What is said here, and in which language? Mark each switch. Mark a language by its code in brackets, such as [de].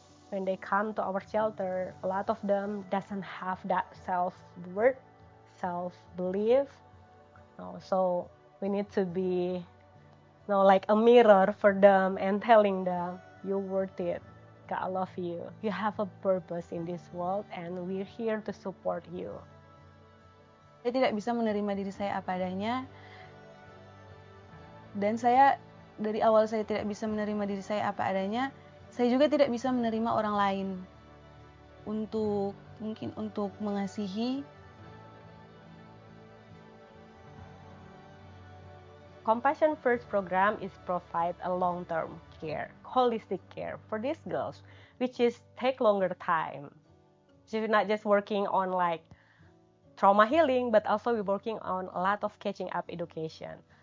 [en] When they come to our shelter, a lot of them doesn't have that self-worth, self-belief. So we need to be, like a mirror for them and telling them, you're worth it. God love you. You have a purpose in this world and we're here to support you. [id] Saya tidak bisa menerima diri saya apa adanya. Dan saya, dari awal saya tidak bisa menerima diri saya apa adanya, saya juga tidak bisa menerima orang lain untuk mungkin untuk mengasihi. [en] Compassion First program is provide a long-term care, holistic care for these girls, which is take longer time. So we're not just working on like trauma healing, but also we're working on a lot of catching up education.